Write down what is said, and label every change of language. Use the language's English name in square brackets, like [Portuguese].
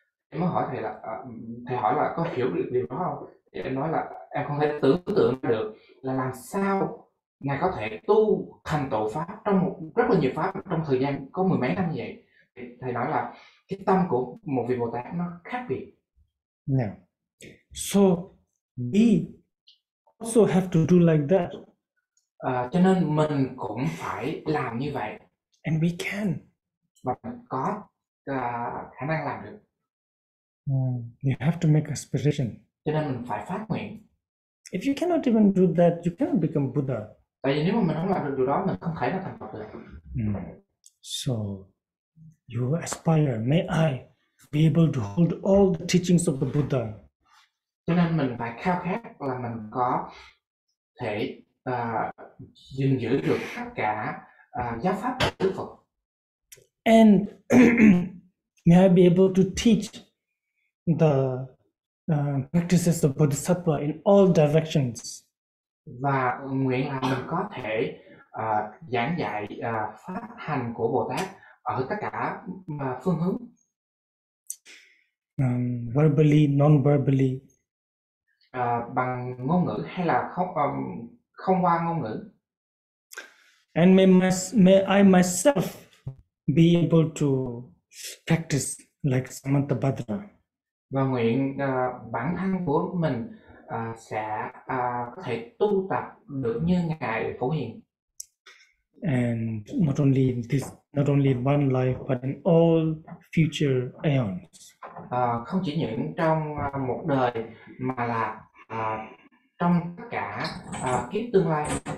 [Vietnamese] Em mới hỏi thầy là có hiểu được điều đó không, thì em nói là em không thể tưởng tượng được là làm sao ngài có thể tu thành tựu pháp trong rất là nhiều pháp trong thời gian có mười mấy năm như vậy. Thì thầy nói là cái tâm của một vị Bồ Tát nó khác biệt. [English] Now, so we also have to do like that. [Vietnamese] Cho nên mình cũng phải làm như vậy. [English] And we can. [Vietnamese] Và có khả năng làm được. [English] You have to make aspiration. [Vietnamese] Cho nên mình phải phát nguyện. [English] If you cannot even do that, you cannot become Buddha. [Vietnamese] Tại vì nếu mà mình không làm được điều đó, mình không thể nào thành Phật được. [English] So, you aspire. May I be able to hold all the teachings of the Buddha. [Vietnamese] Cho nên mình phải khao khát là mình có thể gìn giữ được tất cả giáo pháp của Đức Phật. [English] And may I be able to teach the practices of Bodhisattva in all directions. [Vietnamese] Và nguyện là mình có thể giảng dạy pháp hành của Bồ Tát ở tất cả phương hướng. [English] Verbally, non-verbally. [Vietnamese] Bằng ngôn ngữ hay là không, không qua ngôn ngữ. [English] And may I myself be able to practice like Samantabhadra. [Vietnamese] Và nguyện bản thân của mình sẽ có thể tu tập được như ngài Phổ Hiền. [English] And not only this, not only one life, but in all future aeons. [Vietnamese] Không chỉ những trong một đời mà là trong tất cả kiếp tương lai.